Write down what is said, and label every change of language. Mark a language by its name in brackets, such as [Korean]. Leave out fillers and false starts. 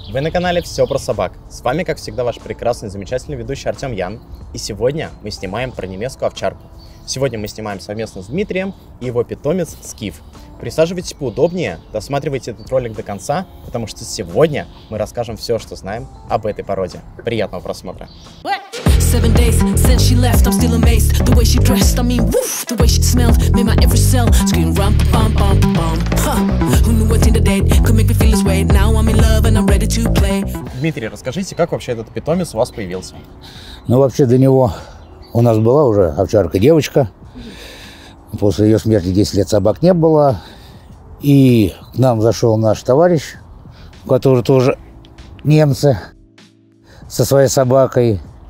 [Russian] Вы на канале «Все про собак». С вами, как всегда, ваш прекрасный, замечательный ведущий Артем Ян. И сегодня мы снимаем про немецкую овчарку. Сегодня мы снимаем совместно с Дмитрием и его питомец Скиф. Присаживайтесь поудобнее, досматривайте этот ролик до конца, потому что сегодня мы расскажем все, что знаем об этой породе. Приятного просмотра! [English] Seven days since she left, I'm still amazed. The way she dressed, I mean, woof. The way she smelled, made my every cell scream, rum, bum, bum, bum. Ha! Who knew what's in the date could make me feel this way? Now I'm in love and I'm ready to play. [Russian] Дмитрий, расскажите, как вообще этот питомец у вас появился? Ну, вообще, до него у нас была уже овчарка-девочка. После ее смерти 10 лет собак не было. И к нам зашел наш товарищ, который тоже немцы, со своей собакой.